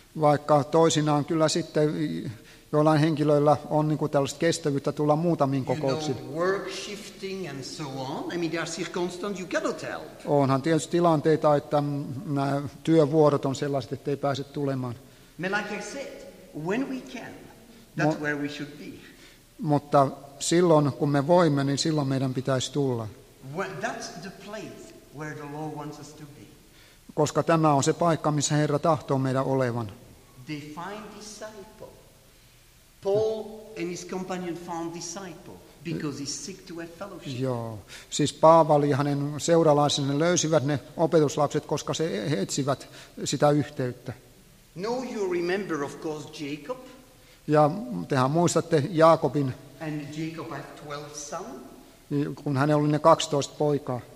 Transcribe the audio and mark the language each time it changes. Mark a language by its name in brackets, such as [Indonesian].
[Finnish] Vaikka toisinaan kyllä sitten joillain henkilöillä on niin kuin tällaista kestävyyttä tulla muutamiin kokouksiin. [English] You know, work shifting and so on. I mean, there are circumstances you cannot help. [Finnish] Onhan tietysti tilanteita, että nämä työvuorot on sellaiset, että ei pääse tulemaan. [English] But like I said, when we can, that's where we should be. [Finnish] Mutta silloin, kun me voimme, niin silloin meidän pitäisi tulla. [English] Well, that's the place where the Lord wants us to be. [Finnish] Koska tämä on se paikka, missä Herra tahtoo meidän olevan. [English] They find disciples. Paul and his companion found disciples because he's sick to have fellowship. [Finnish] Joo. Siis Paavali ja hänen seuralaisensa löysivät ne opetuslapset, koska se etsivät sitä yhteyttä. [English] No, you remember of course Jacob. [Finnish] Ja tehän muistatte Jaakobin. [English] And Jacob had 12 sons. [Finnish] Kun hänellä oli ne 12 poikaa.